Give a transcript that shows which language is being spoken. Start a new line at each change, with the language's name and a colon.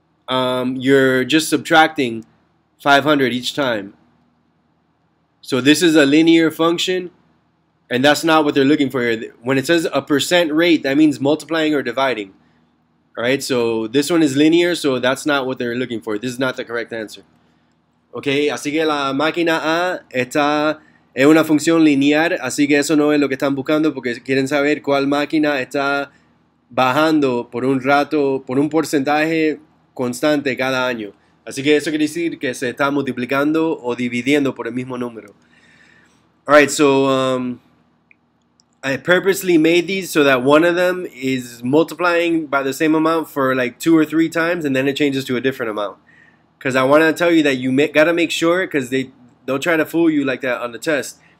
English: You're just subtracting 500 each time. So this is a linear function, and that's not what they're looking for here. When it says a percent rate, that means multiplying or dividing. All right, so this one is linear, so that's not what they're looking for. This is not the correct answer.
Spanish: Okay, así que la máquina A está es una función lineal, así que eso no es lo que están buscando porque quieren saber cuál máquina está bajando por un rato, por un porcentaje constante cada año. Así que eso quiere decir que se está multiplicando o dividiendo por el mismo número.
English: All right, so I purposely made these so that one of them is multiplying by the same amount for like two or three times, and then it changes to a different amount. Because I want to tell you that you got to make sure, because they'll try to fool you like that on the test.